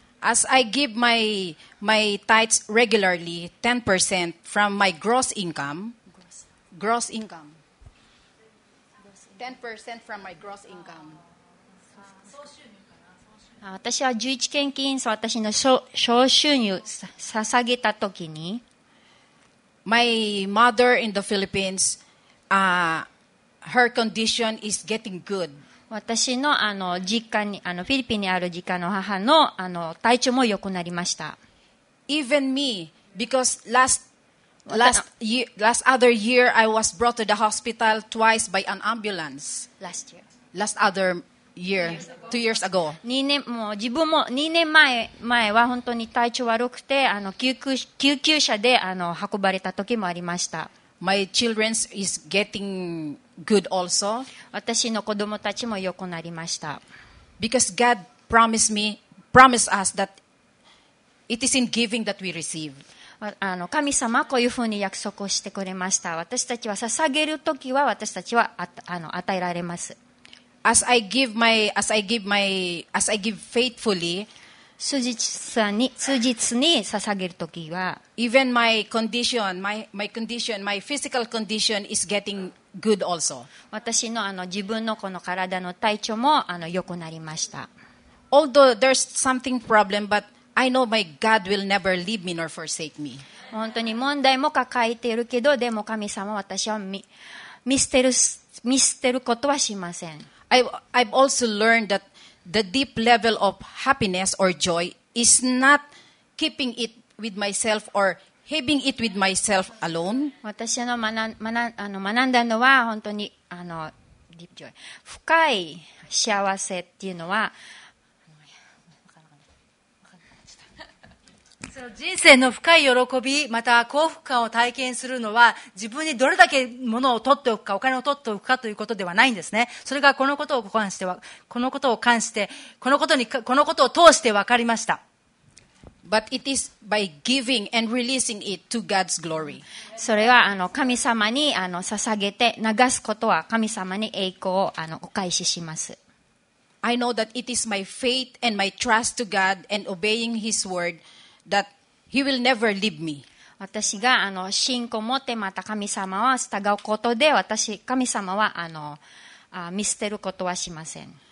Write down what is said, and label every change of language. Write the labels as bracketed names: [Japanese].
[English] As I give my tithes regularly, 10% from my gross income. 10% from my gross income. [Japanese] 私は11献金、私の小収入捧げたときに、 [English] my mother in the Philippines, her condition is getting good. [Japanese] 私の実家にフィリピンにある実家の母の体調も良くなりました。 [English] Even me, because last other year I was brought to the hospital twice by an ambulance. Last year. Last other year, two years ago. [Japanese] 2年もう自分も2年前は本当に体調悪くて救急車で運ばれた時もありました。 [English] My children is getting good also. [Japanese] 私の子供たちも良くなりました。 [English] Because God promised us that it is in giving that we receive. [Japanese] 神様はこういうふうに約束をしてくれました。私たちは捧げるときは私たちは与えられます。 [English] As I give faithfully, [Japanese] 数日に捧げるときは、 [English] even my condition, my condition, my physical condition is getting good also. [Japanese] 私の自分のこの体の体調も良くなりました。 [English] Although there's something problem, but I know my God will never leave me nor forsake me. [Japanese] 本当に問題も抱えているけど、でも神様は私を見捨てることはしません。 [English] I've also learned that the deep level of happiness or joy is not keeping it with myself or having it with myself alone. [Japanese] 私の学んだのは本当に [English] Deep joy. [Japanese] 深い幸せっていうのは人生の深い喜び、また幸福感を体験するのは、自分にどれだけ物を取っておくか、お金を取っておくかということではないんですね。それがこのことを通して分かりました。 [English] But it is by giving and releasing it to God's glory. [Japanese] それは神様に捧げて流すことは、神様に栄光をお返しします。 [English] I know that it is my faith and my trust to God and obeying His word. That he will never leave me. [Japanese] 私が信仰を持ってまた神様を従うことで私神様は見捨てることはしません。